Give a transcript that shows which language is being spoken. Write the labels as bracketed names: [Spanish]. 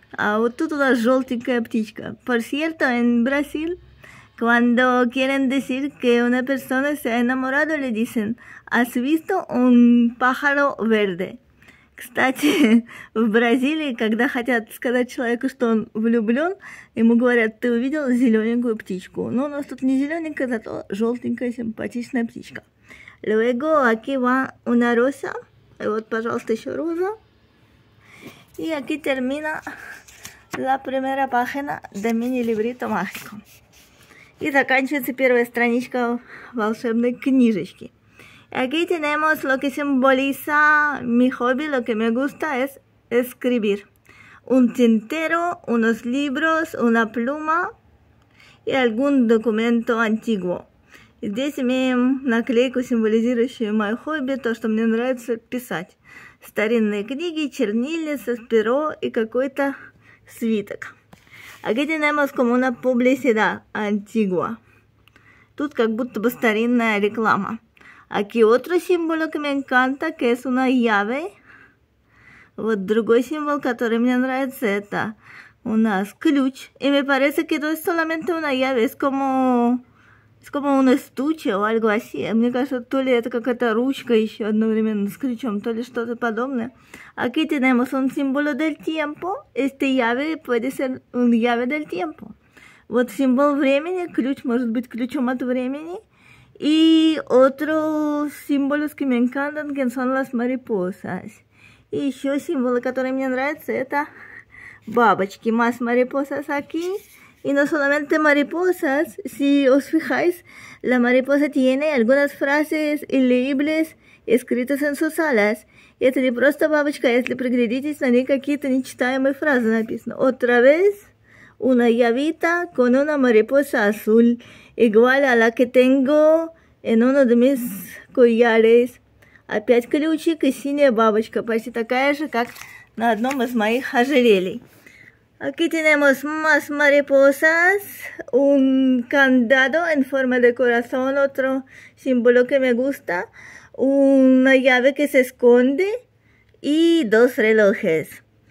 [Russian] А вот тут у нас желтенькая птичка. [Spanish] Por cierto, en Brasil, cuando quieren decir que una persona se ha enamorado, le dicen, ¿has visto un pájaro verde? [Russian] Кстати, в Бразилии, когда хотят сказать человеку, что он влюблен, ему говорят, ты увидел зелененькую птичку. Но у нас тут не зелененькая, зато желтенькая симпатичная птичка. [Spanish] Luego, aquí va una rosa. [Russian] И вот, пожалуйста, еще роза. И [Spanish] aquí termina la primera página de mini-librito mágico. [Russian] И заканчивается первая страничка волшебной книжечки. [Spanish] Aquí tenemos lo que simboliza mi hobby, lo que me gusta es escribir. Un tintero, unos libros, una pluma y algún documento antiguo. [Russian] Здесь имеем наклейку, символизирующую мое хобби, то, что мне нравится писать. Старинные книги, чернильница, перо и какой-то свиток. [Spanish] Aquí tenemos como una publicidad antigua. [Russian] Тут как будто бы старинная реклама. [Spanish] Aquí otro símbolo que me encanta, que es una llave. [Russian] Вот другой символ, который мне нравится, это у нас ключ. И [Spanish] me parece que no es solamente una llave, es como... Es como un estuche o algo así. [Russian] Мне кажется, то ли это какая-то ручка еще одновременно с ключом, то ли что-то подобное. [Spanish] Aquí tenemos un símbolo del tiempo. Este llave puede ser un llave del tiempo. [Russian] Вот символ времени. Ключ может быть ключом от времени. И [Spanish] otros símbolos que me encantan, que son las mariposas. [Russian] И еще символы, которые мне нравятся, это бабочки. [Spanish] Más mariposas aquí. Y no solamente mariposas, si os fijáis, la mariposa tiene algunas frases ilegibles escritas en sus alas. Y [Russian] это не просто бабочка, если приглядитесь, на ней какие-то нечитаемые фразы написаны. [Spanish] Otra vez, una llavita con una mariposa azul, igual a la que tengo en uno de mis collares. [Russian] Опять ключик и синяя бабочка, почти такая же, как на одном из моих ожерелий. [Spanish] Aquí tenemos más mariposas, un candado en forma de corazón, otro símbolo que me gusta, una llave que se esconde y dos relojes.